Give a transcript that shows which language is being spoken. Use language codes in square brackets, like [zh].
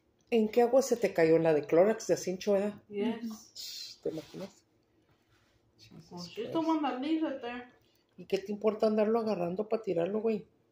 [es] ¿En qué agua se te cayó la de Clorox de Cincho, verdad? [en] Yes. [es] ¿Te imaginas? [en] Well, she's the one that leaves it there. [es] ¿Y qué te importa andarlo agarrando para tirarlo, güey?